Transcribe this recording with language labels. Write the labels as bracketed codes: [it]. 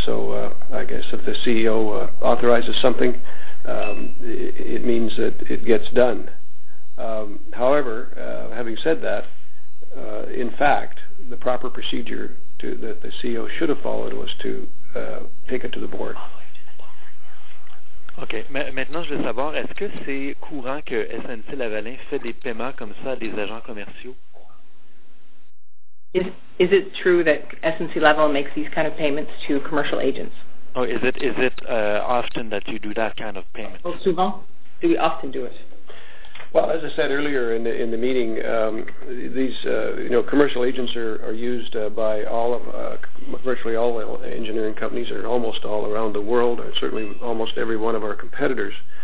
[en] So I guess if the CEO authorizes something, it means that it gets done. However, having said that, in fact, the proper procedure that the CEO should have followed was to take it to the board. OK. [fr] Maintenant, je veux savoir, est-ce que c'est courant que SNC-Lavalin fait des paiements comme ça à des agents commerciaux? [en] Is it true that SNC-Lavalin makes these kind of payments to commercial agents? Oh, is it often that you do that kind of payment? Well, [fr] souvent. [en] Do we often do it? Well, as I said earlier in the meeting, these commercial agents are used by all of virtually all engineering companies are almost all around the world, and certainly almost every one of our competitors.